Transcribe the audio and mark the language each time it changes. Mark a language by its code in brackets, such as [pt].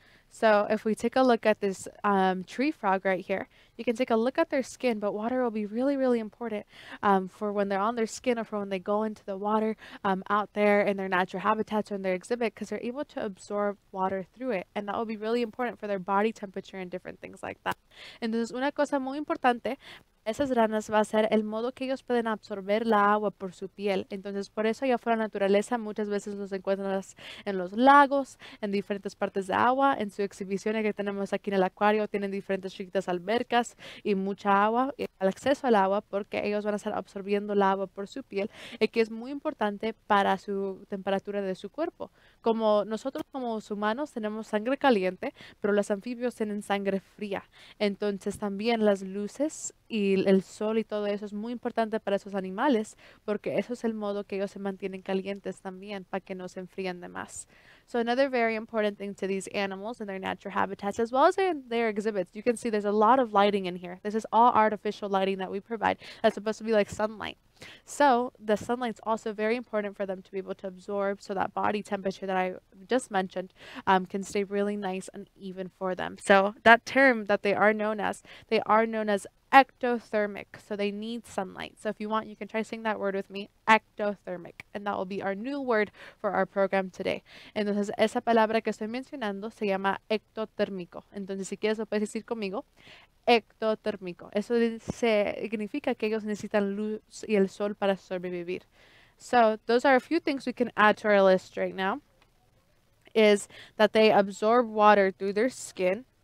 [en] So if we take a look at this tree frog right here, you can take a look at their skin, but water will be really, really important for when they're on their skin or for when they go into the water out there in their natural habitats or in their exhibit, because they're able to absorb water through it. And that will be really important for their body temperature and different things like that. [es] Entonces, una cosa muy importante, esas ranas va a ser el modo que ellos pueden absorber la agua por su piel. Entonces, por eso allá fuera naturaleza, muchas veces los encuentras en los lagos, en diferentes partes de agua, en su exhibición que tenemos aquí en el acuario, tienen diferentes chiquitas albercas y mucha agua, y el acceso al agua, porque ellos van a estar absorbiendo la agua por su piel, y que es muy importante para su temperatura de su cuerpo. Como nosotros como humanos tenemos sangre caliente, pero los anfibios tienen sangre fría. Entonces, también las luces y el sol y todo eso es muy importante para esos animales, porque eso es el modo que ellos se mantienen calientes también, para que no se enfríen de más. [en] So another very important thing to these animals and their natural habitats, as well as in their exhibits, you can see there's a lot of lighting in here. This is all artificial lighting that we provide. That's supposed to be like sunlight. So the sunlight's also very important for them to be able to absorb, so that body temperature that I just mentioned can stay really nice and even for them. So that term that they are known as ectothermic, so they need sunlight. So if you want, you can try saying that word with me, ectothermic, and that will be our new word for our program today. [es] Entonces, esa palabra que estoy mencionando se llama ectotérmico. Entonces, si quieres, lo puedes decir conmigo, ectotérmico. Eso significa que ellos necesitan luz y el sol para sobrevivir. [en] So those are a few things we can add to our list right now, is that they absorb water through their skin.